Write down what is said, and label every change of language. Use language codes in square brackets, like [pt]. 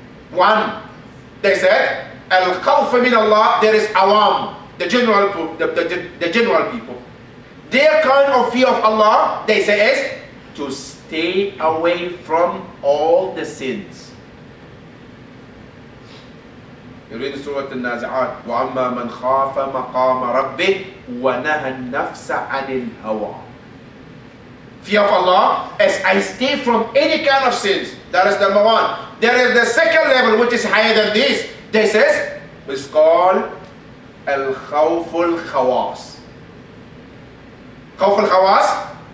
[en] One, they said, Al-Khawf min Allah, there is awam. The general people, their kind of fear of Allah, they say is to stay away from all the sins. [ar] يريد سورة النازعات وأما من خاف مقام ربه ونهى النفس عن الهوى. [en] Fear of Allah is abstain from any kind of sins. That is number one. There is the second level which is higher than this. This is what is called الخوف الخواص. [ar] خوف الخواص.